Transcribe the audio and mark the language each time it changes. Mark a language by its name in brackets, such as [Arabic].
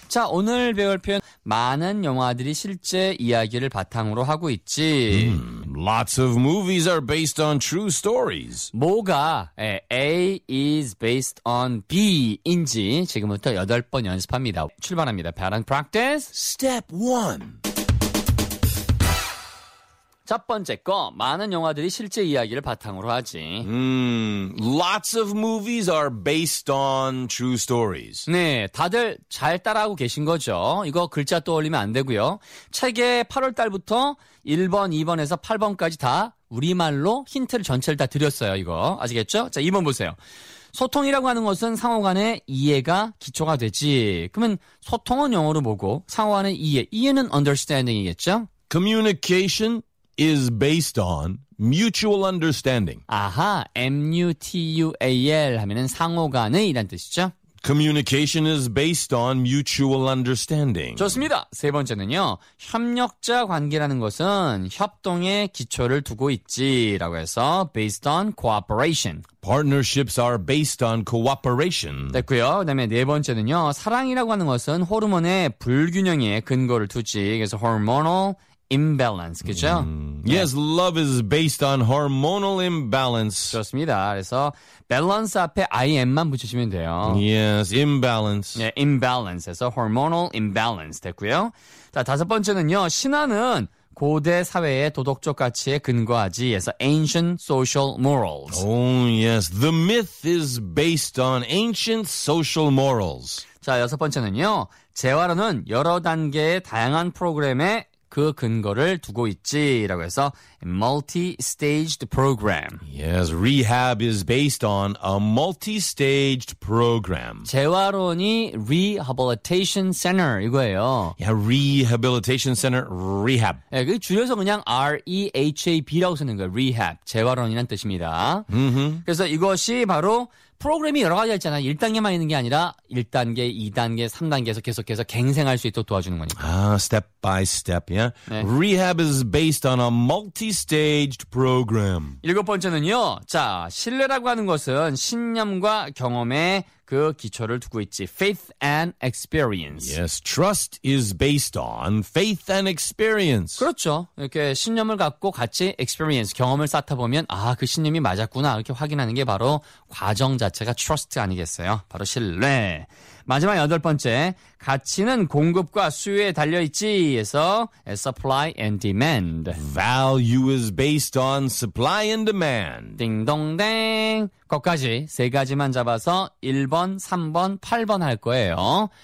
[Korean] 자, 오늘 배울 표현 많은 영화들이 실제 이야기를 바탕으로 하고 있지. [English] Lots of movies are based on true stories. [Korean] 뭐가 [English] A is based on B [Korean] 인지 지금부터 여덟 번 연습합니다. 출발합니다. 배운 practice. [English] Step 1. [Korean] 첫 번째 거, 많은 영화들이 실제 이야기를 바탕으로 하지. [English] Lots of movies are based on true stories. [Korean] 네, 다들 잘 따라하고 계신 거죠. 이거 글자 떠올리면 안 되고요. 책에 8월 달부터 1번, 2번에서 8번까지 다 우리말로 힌트를 전체를 다 드렸어요, 이거. 아시겠죠? 자, 2번 보세요. 소통이라고 하는 것은 상호 간의 이해가 기초가 되지. 그러면 소통은 영어로 뭐고, 상호 간의 이해, 이해는 understanding이겠죠? [English] Communication is based on mutual understanding. [Korean] 아하, mutual 하면은 상호간의 이란 뜻이죠. [English] Communication is based on mutual understanding. [Korean] 좋습니다. 세 번째는요. 협력자 관계라는 것은 협동의 기초를 두고 있지라고 해서 [English] based on cooperation. Partnerships are based on cooperation. [Korean] 됐고요. 그다음에 네 번째는요. 사랑이라고 하는 것은 호르몬의 불균형에 근거를 두지. 그래서 hormonal imbalance, 그렇죠? [English] Yes, love is based on hormonal imbalance. [Korean] 좋습니다. 그래서 balance 앞에 im만 붙이시면 돼요. [English] Yes, imbalance. [Korean] 네, imbalance. 그래서 hormonal imbalance 됐고요. 자, 다섯 번째는요. 신화는 고대 사회의 도덕적 가치에 근거하지. [English] 그래서 ancient social morals. Oh, yes. The myth is based on ancient social morals. [Korean] 자, 여섯 번째는요. 재활은 여러 단계의 다양한 프로그램에 그 근거를 두고 있지라고 해서 multi-staged program. [English] Yes, rehab is based on a multi-staged program. [Korean] 재활원이 rehabilitation center 이거예요. [English] Yeah, rehabilitation center, rehab. [Korean] 예, 그 줄여서 그냥 REHAB라고 쓰는 거예요. Rehab, 재활원이란 뜻입니다. Mm-hmm. 그래서 이것이 바로 프로그램이 여러 가지가 있잖아요. 1단계만 있는 게 아니라 1단계, 2단계, 3단계에서 계속해서 갱생할 수 있도록 도와주는 거니까. [English] 아, step by step, yeah. 네. Rehab is based on a multi-staged program. [Korean] 일곱 번째는요. 자, 신뢰라고 하는 것은 신념과 경험의 그 기초를 두고 있지. [English] Faith and experience. Yes, trust is based on faith and experience. [Korean] 그렇죠. 이렇게 신념을 갖고 같이 experience, 경험을 쌓다 보면 아, 그 신념이 맞았구나 이렇게 확인하는 게 바로 과정 자체가 trust 아니겠어요? 바로 신뢰. 마지막 여덟 번째, 가치는 공급과 수요에 달려있지. [English] 해서 supply and demand. Value is based on supply and demand. [Korean] 딩동댕. 거기까지 세 가지만 잡아서 1번, 3번, 8번 할 거예요.